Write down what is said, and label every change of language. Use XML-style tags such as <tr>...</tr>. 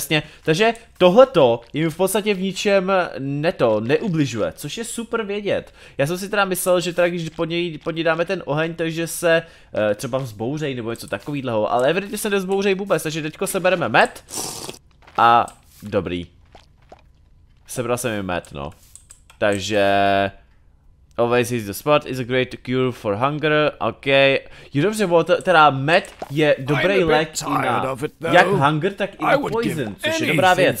<cs>Jasně, takže tohleto jim v podstatě v ničem neubližuje, což je super vědět. Já jsem si teda myslel, že teda když pod něj dáme ten oheň, takže se třeba vzbouřej nebo něco takovýhleho, ale evidentně se nezbouřej vůbec, takže teďko sebereme med a dobrý. Sebral jsem jim med, no. Takže,</cs> <en>Always eat the spot is a great cure for hunger. Okay.</en> <cs>You dobře, vole, teda med je dobrý lék i na jak hunger, tak i na poison, což je dobrá věc.</cs>